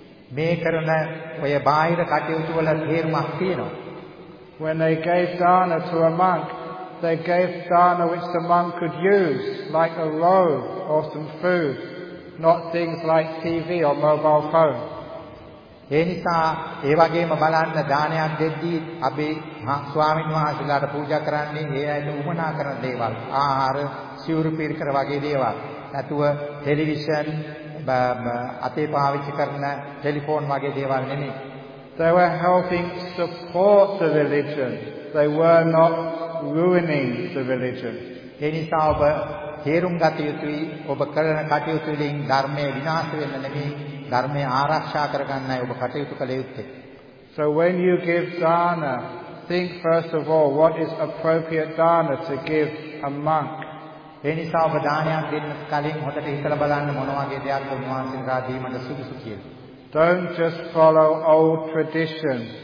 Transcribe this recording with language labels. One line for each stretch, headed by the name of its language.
Sinhala: මේ කරන ඔය බාහිර කටයුතු වල තේරුමක් තියෙනවා.
English: When they gave dana to a monk, they gave dana which the monk could use, like a robe or some food, not things like TV or mobile phone.
Sinhala: ඒ නිසා ඒ වගේම බලන්න දානයක් දෙද්දී අපි ස්වාමීන් වහන්සේලාට පූජා කරන්නේ ඒ අයට උමනා කරන දේවල්, ආහාර, සිවුරු පිරිකර වගේ දේවල්. නැතුව ටෙලිවිෂන් අතේ පාවිච්චි කරන ටෙලිෆෝන් වගේ දේවල් නෙමෙයි.
English: They were helping support the religion. They were not ruining the religion.
Sinhala: ඒ නිසා ඔබ තේරුම් ගත යුතුයි ඔබ කරන කටයුතු වලින් ධර්මය විනාශ වෙන්න නෙමෙයි ධර්මය ආරක්ෂා කරගන්නයි ඔබ කටයුතු කළ යුත්තේ.
English: So when you give dana, think first of all what is appropriate dana to give a monk.
Sinhala: ඒ නිසා ඔබ දානයක් දෙන්න කලින් හොඳට හිතලා බලන්න මොන වගේ දෙයක් ඔබ වහන්සේලා දීමට සුදුසු කියලා.
English: Don't just follow old tradition.